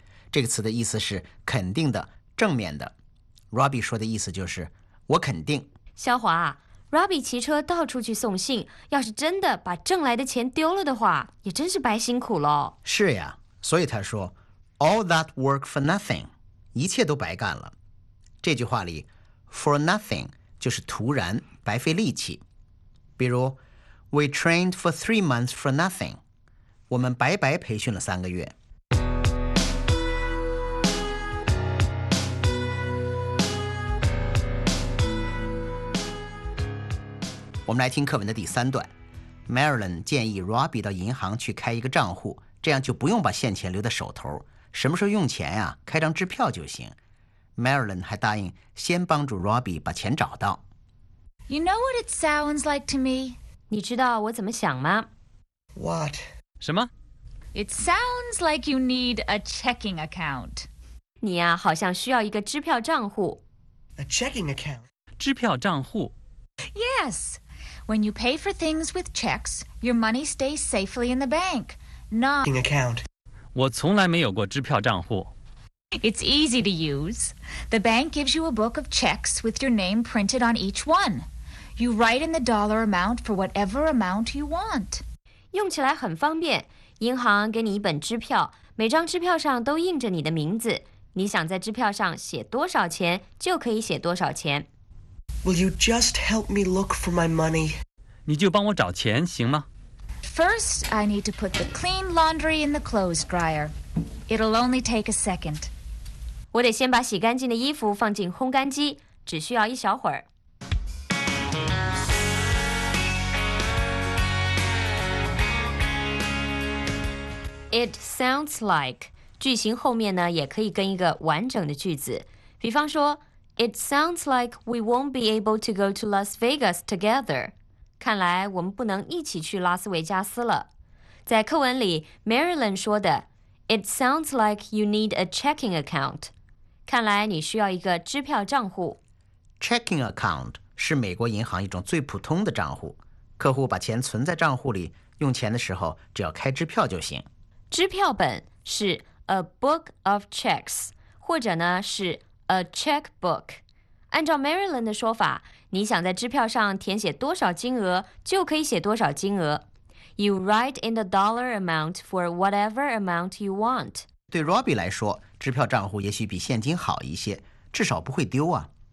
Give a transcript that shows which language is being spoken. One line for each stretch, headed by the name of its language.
Chinese: 这个词的意思是肯定的，正面的。Robbie 说的意思就是我肯定。肖华， Robbie 骑车到处去送信，要是真的把挣来的钱丢了的话，也真是白辛苦了。是呀，所以他说
English: All that work for nothing.
Chinese: 一切都白干了。这句话里 for nothing 就是徒然白费力气，比如
English: we trained for 3 months for nothing，
Chinese: 我们白白培训了3个月。我们来听课文的第三段。Marilyn 建议 Robbie 到银行去开一个账户，这样就不用把现钱留在手头，什么时候用钱啊，开张支票就行。 Marilyn 还答应先帮助 Robbie 把钱找到。
English: You know what it sounds like to me?
Chinese: 你知道我怎么想吗？
English: What?
Chinese: 什么？
English: It sounds like you need a checking account.
Chinese: 你呀，好像需要一个支票账户。
English: A checking account?
Chinese: 支票账户。
English: Yes. When you pay for things with checks, your money stays safely in the bank. Not... Checking account.
Chinese: 我从来没有过支票账户。
English: It's easy to use. The bank gives you a book of checks with your name printed on each one. You write in the dollar amount for whatever amount you want.
Chinese: 用起来很方便。银行给你一本支票，每张支票上都印着你的名字。你想在支票上写多少钱，就可以写多少钱。
English: Will you just help me look for my money?
Chinese: 你就帮我找钱，行吗？
English: First, I need to put the clean laundry in the clothes dryer. It'll only take a second.
Chinese: 我得先把洗干净的衣服放进烘干机，只需要一小会儿。
English: It sounds like
Chinese: 句型后面呢，也可以跟一个完整的句子。比方说
English: ，It sounds like we won't be able to go to Las Vegas together.
Chinese: 看来我们不能一起去拉斯维加斯了。在课文里 ，Marilyn 说的。
English: It sounds like you need a checking account.
Chinese: 看来你需要一个支票账户。 checking account 是美国银行一种最普通的账户，客户把钱存在账户里，用钱的时候只要开支票就行。支票本是 a book of checks， 或者呢是 a checkbook。按照 Marilyn 的说法，你想在支票上填写多少金额，就可以写多少金额。
English: You write in the dollar amount for whatever amount you want。
Chinese: 对 Robbie 来说，支票账户也许比现金好一些，至少不会丢啊。